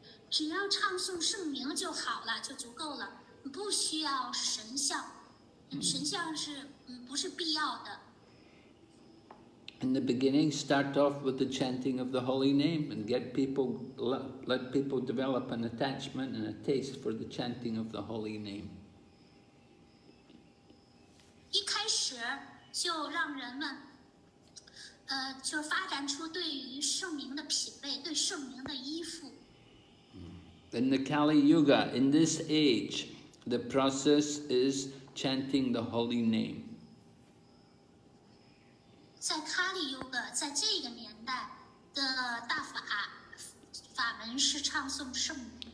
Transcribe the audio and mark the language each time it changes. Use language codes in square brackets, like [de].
[zh] 只要唱诵圣名就好了，就足够了，不需要神像。神像是不是必要的。 [en] In the beginning, start off with the chanting of the holy name and get people, let people develop an attachment and a taste for the chanting of the holy name. [zh] 一开始就让人们就发展出对于圣名的品味，对圣名的依附。 [en] In the Kali Yuga, in this age, the process is chanting the holy name. [zh] 在 Kali Yuga, 在这个年代的大法门是唱诵圣名。